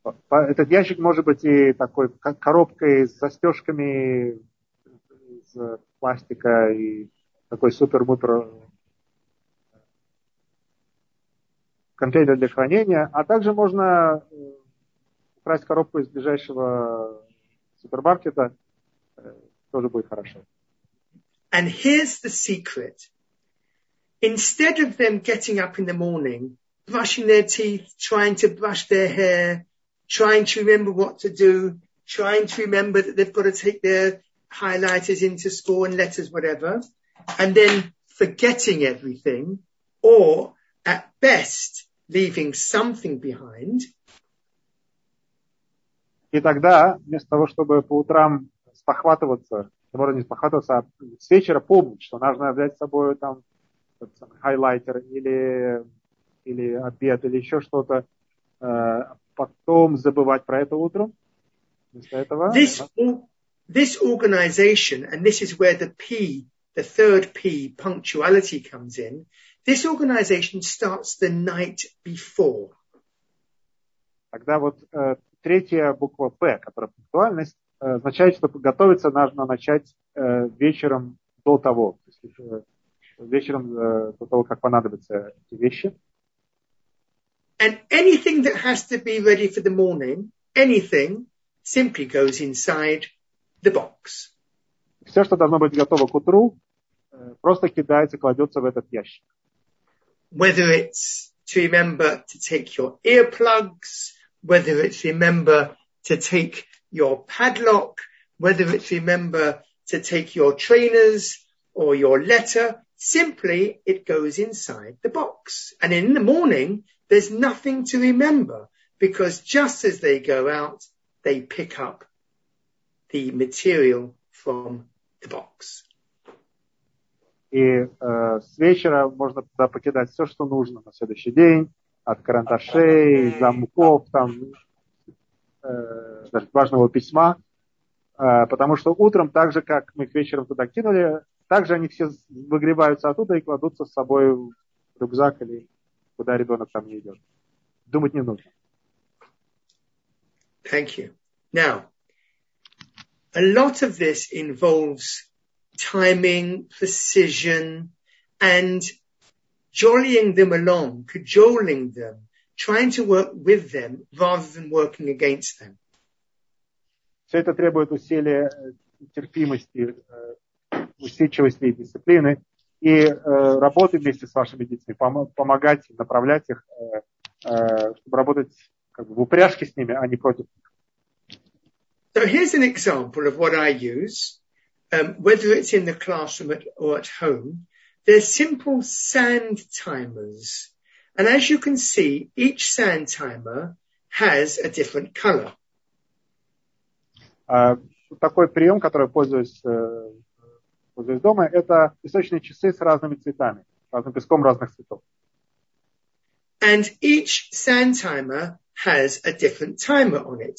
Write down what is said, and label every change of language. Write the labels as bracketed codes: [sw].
[ru] Этот ящик может быть и такой коробкой с застежками из пластика и такой супер-мупер контейнер для хранения, а также можно украсть коробку из ближайшего супермаркета, тоже будет хорошо. [en] And here's the secret. Instead of them getting up in the morning brushing their teeth, trying to brush their hair, trying to remember what to do, trying to remember that they've got to take their highlighters into school and letters, whatever, and then forgetting everything, or at best, leaving something behind. [ru] И тогда, вместо того, чтобы по утрам спохватываться, можно не спохватываться, а с вечера помнить, что нужно взять с собой там хайлайтер или обед, или еще что-то, потом забывать про это утром, вместо этого... [en] This organization, and this is where the third P, punctuality, comes in, this organization starts the night before. [ru] Тогда вот третья буква П, которая пунктуальность, означает, что готовиться нужно начать вечером до того, то есть вечером до того, как понадобятся эти вещи. [en] And anything that has to be ready for the morning, anything, simply goes inside the box. [ru] Все, что должно быть готово к утру, просто кидается, кладется в этот ящик. [en] Whether it's to remember to take your earplugs, whether it's remember to take your padlock, whether it's remember to take your trainers or your letter, simply it goes inside the box. And in the morning, there's nothing to remember because just as they go out, they pick up the material from the box. [ru] И с вечера можно туда покидать все, что нужно на следующий день. От карандашей, замков, там, даже важного письма. Потому что утром, так же, как мы их вечером туда кинули, так же они все выгребаются оттуда и кладутся с собой в рюкзак или куда ребенок там не идет. Думать не нужно. [en] Thank you. Now, a lot of this involves timing, precision, and jollying them along, cajoling them, trying to work with them rather than working against them. [ru] Все это требует усилия, терпимости, усидчивости и дисциплины, и работы вместе с вашими детьми, помогать, направлять их, чтобы работать как бы в упряжке с ними, а не против них. [en] So here's an example of what I use, whether it's in the classroom or at home. They're simple sand timers. And as you can see, each sand timer has a different color. [ru] Такой прием, который я пользуюсь дома, это песочные часы с разными цветами, разным песком разных цветов. [en] And each sand timer has a different timer on it.